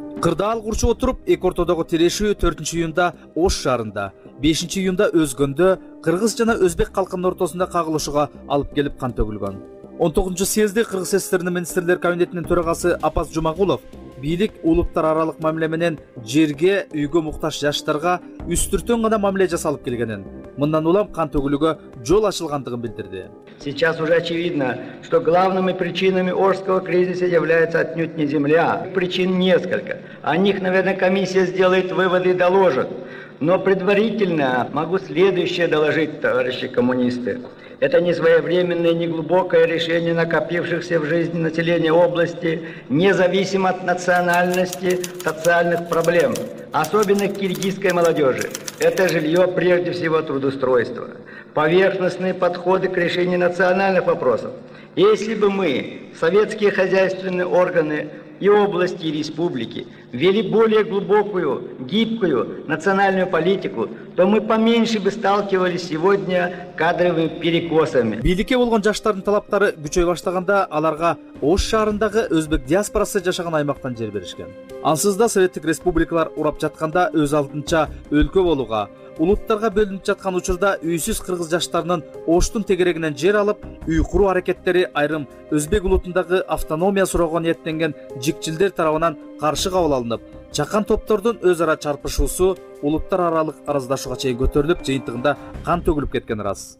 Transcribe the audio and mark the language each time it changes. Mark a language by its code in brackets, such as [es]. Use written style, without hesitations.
[ky] Кырдаал курчуп отуруп, эки ортодогу тирешүү 4-июнда Ош шаарында, 5-июнда Өзгөндө кыргыз жана өзбек калкынын ортосунда кагылышууга алып келип кан төгүлгөн. 19-чу съезде Кыргыз СССРнин министрлер кабинетинин төрагасы Апаз Жумагулов бийлик улуттар аралык мамиле менен жерге үйгө муктаж жаштарга үстүртөн гана мамиле жасалып келгенин, мындан улам кан төгүлүүгө жол ачылгандыгын билдирди. [ru] Сейчас уже очевидно, что главными причинами Ошского кризиса является отнюдь не земля. Причин несколько. О них, наверное, комиссия сделает выводы и доложит. Но предварительно могу следующее доложить, товарищи коммунисты. Это не своевременное, не глубокое решение накопившихся в жизни населения области, независимо от национальности, социальных проблем, особенно киргизской молодежи. Это жилье прежде всего трудоустройство. Поверхностные подходы к решению национальных вопросов. Если бы мы, советские хозяйственные органы и области, и республики, ввели более глубокую, гибкую национальную политику, то мы поменьше бы сталкивались сегодня кадровыми перекосами. [ky] Бийликке болгон жаштардын талаптары күчөй баштаганда, аларга Ош шаарындагы өзбек диаспорасы жашаган аймактан жер беришкен. Ансыз да советтик республикалар урап жатканда өз алдынча өлкө болууга, улуттарга бөлүнүп жаткан учурда үйсүз кыргыз жаштарынын Оштун тегерегинен жер алып, үй куруу аракеттери айрым өзбек улутундагы автономия суроого ниеттенген жикчилдер тарабынан каршы кабыл алынып, чакан топтордун өз ара чарпышуусу улуттар аралык араздашууга чейин көтөрүлүп, жыйынтыгында кан төгүлүп кеткени ырас.